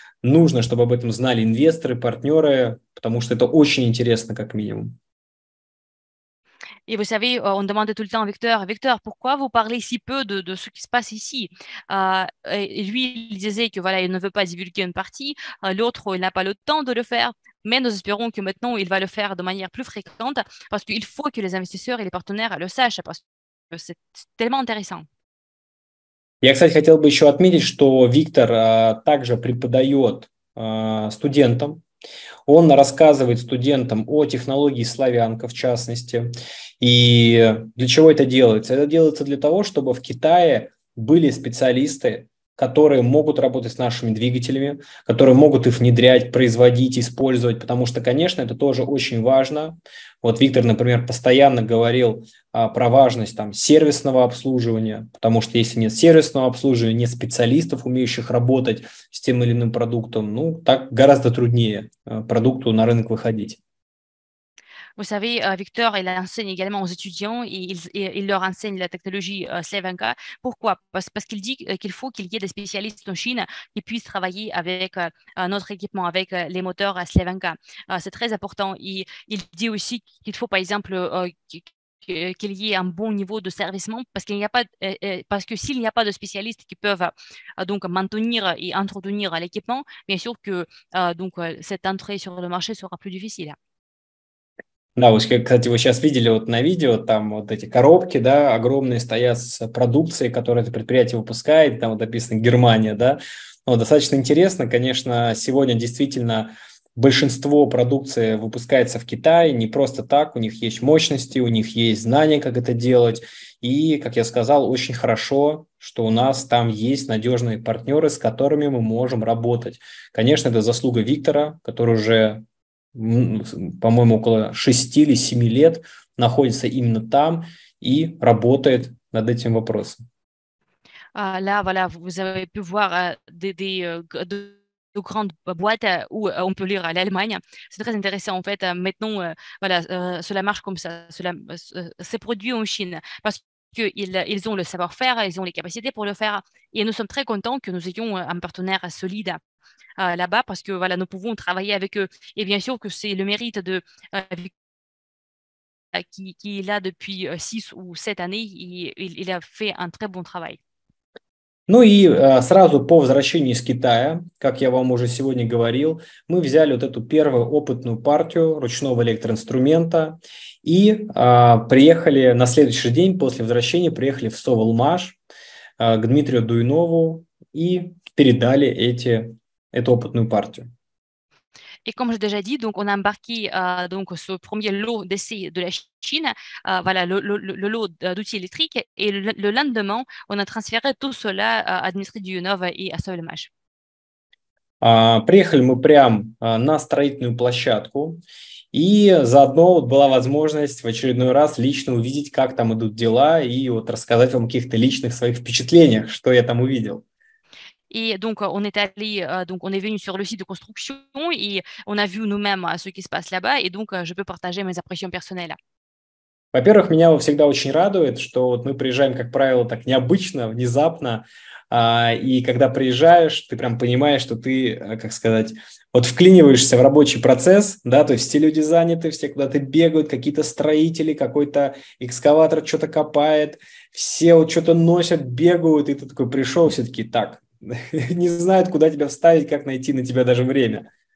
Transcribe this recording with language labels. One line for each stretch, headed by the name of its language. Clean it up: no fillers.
Russian: Нужно, чтобы об этом знали инвесторы, партнеры, потому что это очень интересно, как минимум.
French: Et vous savez, on demandait tout le temps à Victor, Victor, pourquoi vous parlez si peu de ce qui se passe ici? Lui, il disait que voilà, il ne veut pas divulguer une partie, l'autre, il n'a pas le temps de le faire. Mais nous espérons que maintenant, il va le faire de manière plus fréquente, parce qu'il faut que les investisseurs et les partenaires le sachent, parce que c'est tellement intéressant.
Russian: Я, кстати, хотел бы еще отметить, что Виктор также преподает студентам. Он рассказывает студентам о технологии «Славянка», в частности. И для чего это делается? Это делается для того, чтобы в Китае были специалисты, которые могут работать с нашими двигателями, которые могут их внедрять, производить, использовать, потому что, конечно, это тоже очень важно. Вот Виктор, например, постоянно говорил про важность там сервисного обслуживания, потому что если нет сервисного обслуживания, нет специалистов, умеющих работать с тем или иным продуктом, ну, так гораздо труднее продукту на рынок выходить.
French: Vous savez, Victor, il enseigne également aux étudiants et il leur enseigne la technologie Slavanka. Pourquoi? Parce qu'il dit qu'il faut qu'il y ait des spécialistes en Chine qui puissent travailler avec notre équipement, avec les moteurs Slavanka. C'est très important. Et il dit aussi qu'il faut, par exemple, qu'il y ait un bon niveau de servissement parce que s'il n'y a pas de spécialistes qui peuvent donc maintenir et entretenir l'équipement, bien sûr que donc cette entrée sur le marché sera plus difficile.
Russian: Да, вот, кстати, вы сейчас видели вот на видео, там вот эти коробки, да, огромные стоят с продукцией, которую это предприятие выпускает, там вот написано «Германия», да. Но достаточно интересно, конечно, сегодня действительно большинство продукции выпускается в Китае, не просто так, у них есть мощности, у них есть знания, как это делать. И, как я сказал, очень хорошо, что у нас там есть надежные партнеры, с которыми мы можем работать. Конечно, это заслуга Виктора, который уже, по-моему, около 6 или 7 лет находится именно там и работает над этим вопросом.
French: Là, voilà, vous avez pu voir de grandes boîtes où on peut lire l'Allemagne. C'est très intéressant, en fait. Maintenant, voilà, cela marche comme ça. C'est produit en Chine parce qu'ils ont le savoir-faire, ils ont les capacités pour le faire. Et nous sommes très contents que nous ayons un partenaire solide là-bas parce que voilà, nous pouvons travailler avec eux. Et bien sûr que c'est le mérite de qui est là depuis 6 ou 7 années. Il a fait un très bon travail.
Russian: Ну и сразу по возвращении из Китая, как я вам уже сегодня говорил, мы взяли вот эту первую опытную партию ручного электроинструмента и приехали на следующий день после возвращения, приехали в Совалмаш к Дмитрию Дуйнову и передали эту опытную партию.
French: Et comme j'ai déjà dit, donc on a embarqué donc ce premier lot d'essai de la Chine, voilà le lot d'outils électriques, et le lendemain, on a transféré tout cela à Dmitry Dionov et à Solmage.
Russian: Приехали мы прямо на строительную площадку, и заодно вот была возможность в очередной раз лично увидеть, как там идут дела, и вот рассказать вам о каких-то личных своих впечатлениях, что я там увидел.
French: Et donc, on est venu sur le site de construction et on a vu nous-mêmes ce qui se passe là-bas. Et donc, je peux partager mes impressions personnelles.
Russian: Во-первых, меня всегда очень радует, что вот мы приезжаем, как правило, так необычно, внезапно. И когда приезжаешь, ты прям понимаешь, что ты, как сказать, вот вклиниваешься в рабочий процесс, да, то есть все люди заняты, все куда-то бегают, какие-то строители, какой-то экскаватор что-то копает, все вот что-то носят, бегают, и ты такой пришел, все-таки так, не знают, куда тебя вставить, как найти на тебя даже время.